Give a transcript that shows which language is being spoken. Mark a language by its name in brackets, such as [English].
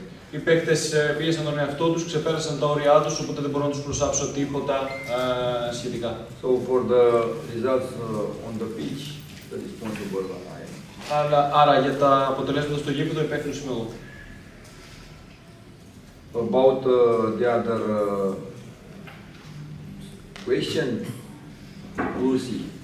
[Greek] Οι παίκτες πίεσαν τον εαυτό τους, ξεπέρασαν τα όρια τους, οπότε δεν μπορώ να τους προσάψω τίποτα σχετικά. [English] So for the results on the pitch, the responsible one I am. [Greek] Άρα για τα αποτελέσματα στο γήπεδο υπεύθυνος είμαι εγώ. [English] About the other question, Lucy.